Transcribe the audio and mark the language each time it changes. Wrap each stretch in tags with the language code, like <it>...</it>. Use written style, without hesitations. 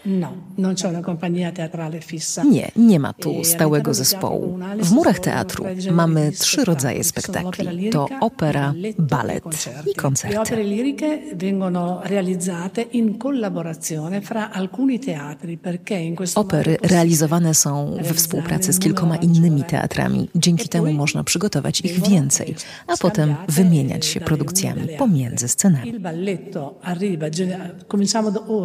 <it>No, non c'è una compagnia teatrale fissa.</it> <pl>Nie, nie ma tu stałego zespołu. W murach teatru mamy 3 rodzaje spektakli. To opera, balet i koncerty.</pl> <it>Le opere liriche vengono realizzate in collaborazione fra alcuni teatri, perché in questo</it> <pl>opery realizzowane są we współpracy z kilkoma innymi teatrami. Dzięki temu można przygotować ich więcej, a potem wymieniać się produkcjami pomiędzy scenami.</pl> <it>Il balletto arriva, cominciamo.</it>